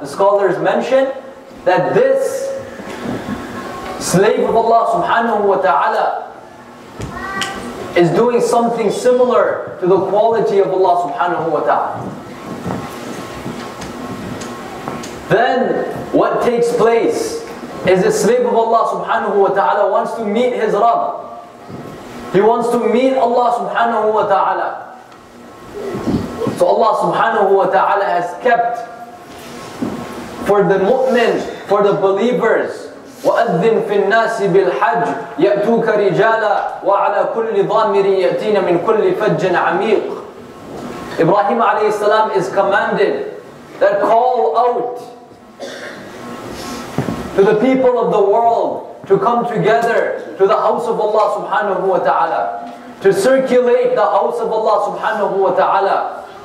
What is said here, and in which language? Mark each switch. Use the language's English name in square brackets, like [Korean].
[English] The scholars mention that this slave of Allah subhanahu wa ta'ala is doing something similar to the quality of Allah subhanahu wa ta'ala. Then what takes place is the slave of Allah subhanahu wa ta'ala wants to meet his Rabb. He wants to meet Allah subhanahu wa ta'ala. So Allah subhanahu wa ta'ala has kept for the mu'min, for the believers, [Arabic] وَأَذِّنْ فِي النَّاسِ بِالْحَجِّ يَأْتُوكَ رِجَالًا وَعَلَى كُلِّ ضَامِرٍ يَأْتِينَ مِنْ كُلِّ فَجٍّ عَمِيقٍ. [English] Ibrahim alayhi salam is commanded that call out to the people of the world to come together to the house of Allah subhanahu wa ta'ala, to circulate the house of Allah subhanahu wa ta'ala.